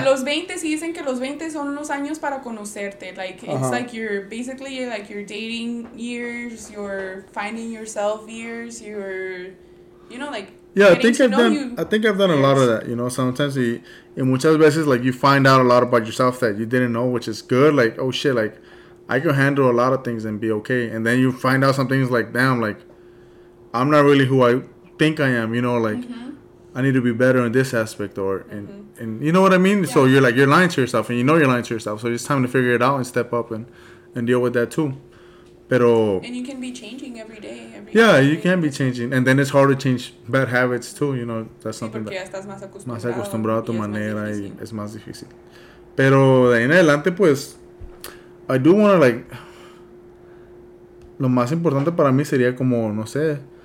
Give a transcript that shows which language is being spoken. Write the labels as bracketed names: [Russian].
[Spanish] Mira, los 20, sí dicen que los 20 son unos años para conocerte. [English] Like, it's uh-huh. like you're basically like your dating years, your finding yourself years, your, you know, like, yeah, I think I've done a lot of that, you know, sometimes. And [Spanish] muchas veces, [English] like, you find out a lot about yourself that you didn't know, which is good. Like, oh, shit, like, I can handle a lot of things and be okay. And then you find out some things like, damn, like, I'm not really who I think I am, you know, like. Mm-hmm. I need to be better in this aspect or and mm-hmm. and you know what I mean? Yeah. So you're like you're lying to yourself and you know you're lying to yourself. So it's time to figure it out and step up and deal with that too. [Spanish] Pero [English] and you can be changing every day. Yeah, you can be changing. And then it's hard to change bad habits too, you know. That's something [Spanish] sí, [English] that [Spanish] estás más acostumbrado, a tu manera y es más difícil. Pero de ahí en adelante pues [English] I do wanna like [Spanish] lo más importante para mí sería como no sé.